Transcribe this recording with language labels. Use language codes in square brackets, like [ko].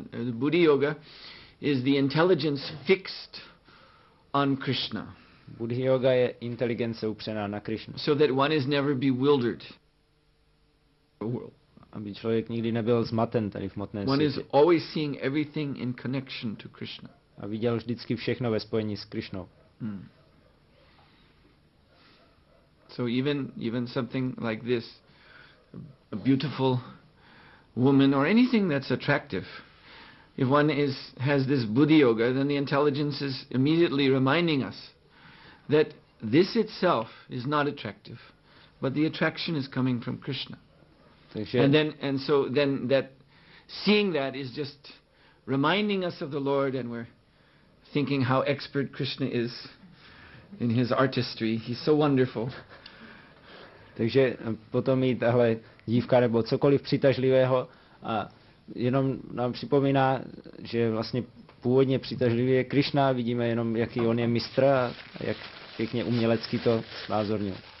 [en] Buddhi yoga is the intelligence fixed on Krishna. [cs] Buddhi yoga je inteligence upřená na Krishnu. [en] So that one is never bewildered. [cs] Aby člověk nikdy nebyl zmaten tady v hmotném světě. [en] One is always seeing everything in connection to Krishna. [cs] A viděl vždycky všechno ve spojení s Krishnou. [en] So even something like this, a beautiful woman or anything that's attractive, if one has this buddhi yoga, then the intelligence is immediately reminding us that this itself is not attractive, but the attraction is coming from Krishna. And so then that seeing that is just reminding us of the Lord, and we're thinking how expert Krishna is in his artistry. He's so wonderful. [cs] Takže potom mít tahle dívka nebo cokoliv přitažlivého a jenom nám připomíná, že vlastně původně přitažlivý je Krishna, vidíme jenom, jaký on je mistr a jak pěkně umělecky to znázornil.